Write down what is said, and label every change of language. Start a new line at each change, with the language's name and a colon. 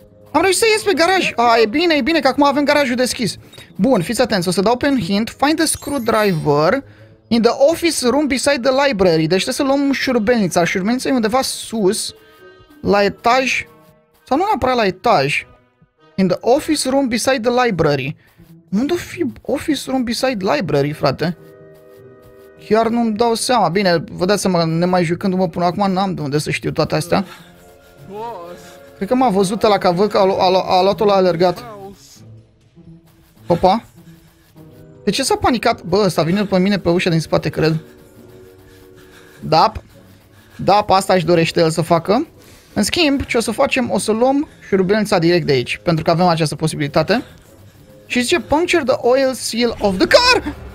Romanian: Am reușit să ies pe garaj. Ah, e bine că acum avem garajul deschis. Bun, fiți atenți, o să dau pe un hint.
English: Find a screwdriver... In the office room beside the library.
Romanian: Deci trebuie să luăm șurubelnița. Șurubelnița e undeva sus. La etaj. Sau nu neapărat la etaj.
English: In the office room beside the library.
Romanian: Unde o fi
English: office room beside library,
Romanian: frate? Chiar nu-mi dau seama. Bine, vă dați seama, nemai jucându-mă până acum, n-am de unde să știu toate astea. Cred că m-a văzut ăla, că văd că a luat-o la alergat. Opa. De ce s-a panicat? Bă, ăsta vine pe mine pe ușa din spate, cred. Da, asta își dorește el să facă. În schimb, ce o să facem, o să luăm șurubelnița direct de aici, pentru că avem această posibilitate. Și zice,
English: puncture the oil seal of the car!